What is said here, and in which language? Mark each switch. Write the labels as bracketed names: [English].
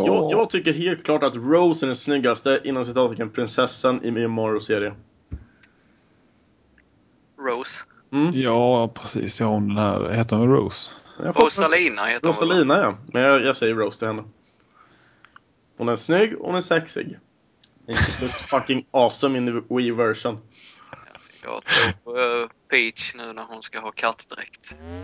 [Swedish] Jag tycker helt klart att Rose är den snyggaste innan citatiken prinsessan i min Mario-serie. Rose? Mm. Ja, precis. Ja, hon den här. Heter hon Rose? Rosalina heter hon. Rosalina, ja. Men jag säger Rose till henne. Hon är snygg och hon är sexig. [English] It looks fucking awesome in the Wii-version. [Swedish] Jag tror Peach nu när hon ska ha kattdräkt.